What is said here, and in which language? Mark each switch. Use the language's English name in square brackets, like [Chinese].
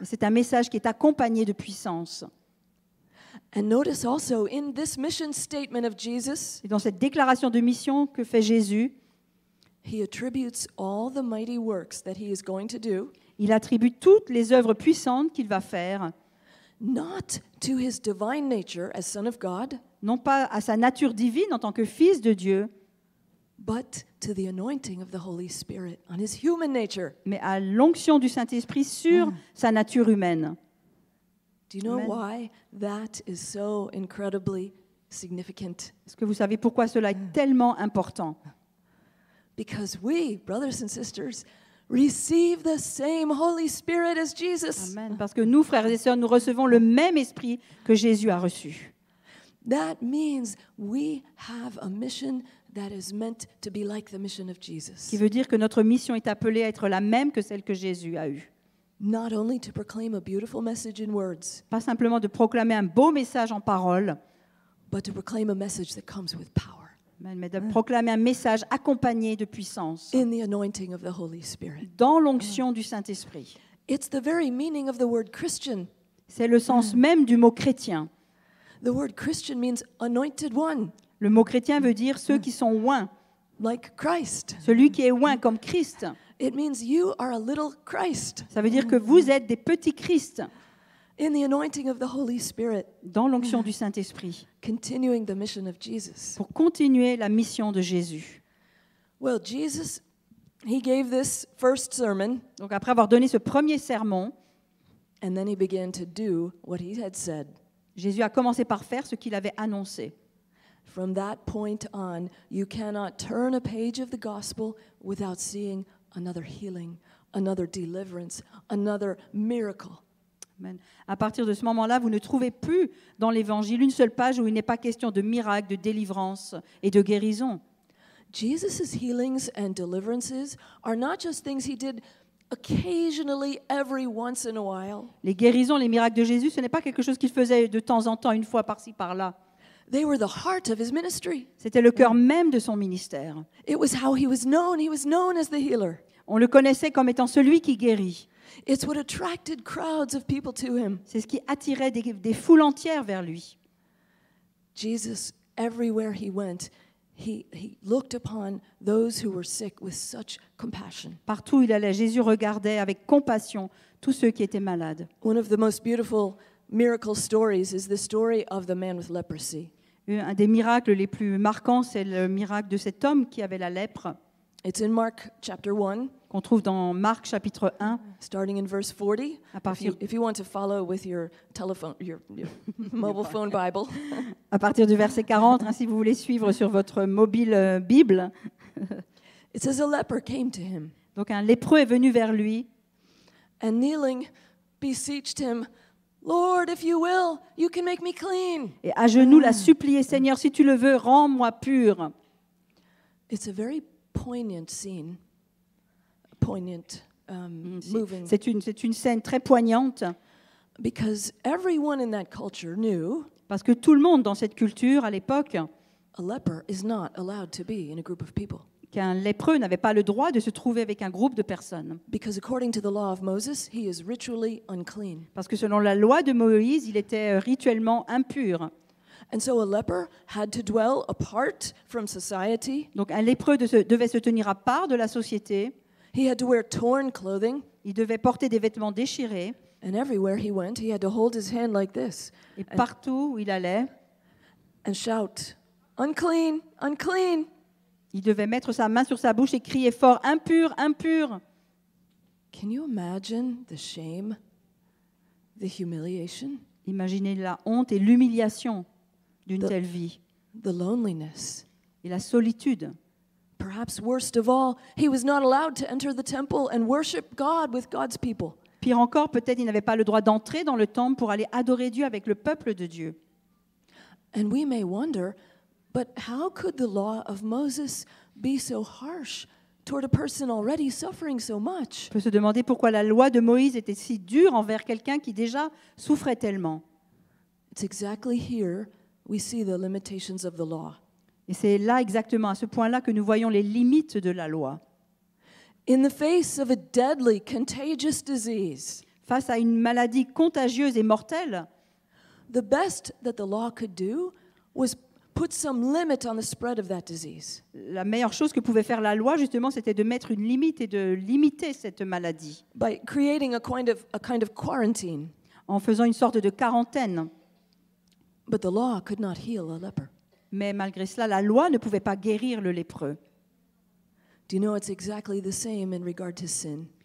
[French] C'est un message qui est accompagné de puissance. [English] And notice also in this mission statement of Jesus, [French] et dans cette déclaration de mission que fait Jésus, [English] he attributes all the mighty works that he is going to do. [French] Il attribue toutes les œuvres puissantes qu'il va faire. [English] Not to his divine nature as son of God. [French] Non pas à sa nature divine en tant que fils de Dieu. [English] But to the anointing of the Holy Spirit on his human nature. [French] Mais à l'onction du Saint-Esprit sur sa nature humaine. [English] Do you know why that is so incredibly significant? [French] Est-ce que vous savez pourquoi cela est tellement important? [English] Because we, brothers and sisters, Receive the same Holy Spirit as Jesus. Amen. [French] Parce que nous, frères et sœurs, nous recevons le même esprit que Jésus a reçu. [English] That means we have a mission that is meant to be like the mission of Jesus. [French] Qui veut dire que notre mission est appelée à être la même que celle que Jésus a eue. [English] Not only to proclaim a beautiful message in words. [French] Pas simplement de proclamer un beau message en paroles. [English] But to proclaim a message that comes with power. [French] Mais de proclamer un message accompagné de puissance [English] in the anointing of the Holy Spirit. [French] Dans l'onction du Saint-Esprit. [English] It's the very meaning of the word Christian. [French] C'est le sens même du mot chrétien. [English] The word Christian means anointed one. [French] Le mot chrétien veut dire ceux qui sont oints. [English] Like Christ. [French] Celui qui est oint comme Christ. [English] It means you are a little Christ. [French] Ça veut dire que vous êtes des petits Christ. [English] In the anointing of the Holy Spirit. [French] Dans l'onction du Saint-Esprit. [English] Continuing the mission of Jesus. [French] Pour continuer la mission de Jésus. [English] Well, Jesus, he gave this first sermon. [French] Donc après avoir donné ce premier sermon, [English] and then he began to do what he had said. [French] Jésus a commencé par faire ce qu'il avait annoncé. [English] From that point on, you cannot turn a page of the gospel without seeing another healing, another deliverance, another miracle. [French] À partir de ce moment-là, vous ne trouvez plus dans l'Évangile une seule page où il n'est pas question de miracles, de délivrance et de guérison. [English] Jesus's healings and deliverances are not just things he did occasionally every once in a while. [French] Les guérisons, les miracles de Jésus, ce n'est pas quelque chose qu'il faisait de temps en temps, une fois par-ci, par-là. [English] They were the heart of his ministry. [French] C'était le cœur même de son ministère. [English] It was how he was known. He was known as the healer. [French] On le connaissait comme étant celui qui guérit. [English] It's what attracted crowds of people to him. [French] C'est ce qui attirait des foules entières vers lui. [English] Jesus, everywhere he went, he looked upon those who were sick with such compassion. [French] Partout où il allait, Jésus regardait avec compassion tous ceux qui étaient malades. [English] One of the most beautiful miracle stories is the story of the man with leprosy. [French] Un des miracles les plus marquants, c'est le miracle de cet homme qui avait la lèpre. [English] It's in Mark chapter 1. [French] On trouve dans Marc chapitre 1, [English] starting in verse 40. [French] À partir, [English] if you want to follow with your telephone, your mobile phone Bible. [French] À partir du verset 40, hein, si vous voulez suivre sur votre mobile Bible. [English] It says a leper came to him. [French] Donc un lépreux est venu vers lui. [English] And kneeling, beseeched him, Lord, if you will, you can make me clean. [French] Et à genoux l'a supplié, Seigneur, si tu le veux, rends-moi pur. [English] It's a very poignant scene. Poignant, moving. [French] C'est une scène très poignante. [English] Because everyone in that culture knew. [French] Parce que tout le monde dans cette culture à l'époque. [English] A leper is not allowed to be in a group of people. [French] Qu'un lépreux n'avait pas le droit de se trouver avec un groupe de personnes. [English] Because according to the law of Moses, he is ritually unclean. [French] Parce que selon la loi de Moïse, il était rituellement impur. [English] And so a leper had to dwell apart from society. [French] Donc un lépreux devait se tenir à part de la société. [English] He had to wear torn clothing. [French] Il devait porter des vêtements déchirés. [English] And everywhere he went, he had to hold his hand like this. [French] Et partout où il allait, [English] and shout, unclean, unclean. [French] Il devait mettre sa main sur sa bouche et crier fort, impur, impur. [English] Can you imagine the shame, the humiliation? [French] Imaginez la honte et l'humiliation d'une telle vie. [English] The loneliness. [French] Et la solitude. [English] Perhaps worst of all, he was not allowed to enter the temple and worship God with God's people. [French] Pire encore, peut-être il n'avait pas le droit d'entrer dans le temple pour aller adorer Dieu avec le peuple de Dieu. [English] And we may wonder, but how could the law of Moses be so harsh toward a person already suffering so much? [French] On peut se demander pourquoi la loi de Moïse était si dure envers quelqu'un qui déjà souffrait tellement. [English] It's exactly here we see the limitations of the law. [French] Et c'est là exactement, à ce point-là, que nous voyons les limites de la loi. [English] In the face of a deadly, contagious disease, [French] face à une maladie contagieuse et mortelle, [English] the best that the law could do was put some limit on the spread of that disease. [French] La meilleure chose que pouvait faire la loi, justement, c'était de mettre une limite et de limiter cette maladie. [English] By creating a kind of quarantine. [French] En faisant une sorte de quarantaine. [English] But the law could not heal a leper. [French] Mais malgré cela, la loi ne pouvait pas guérir le lépreux. [English] Do you know it's exactly the same in regard to sin?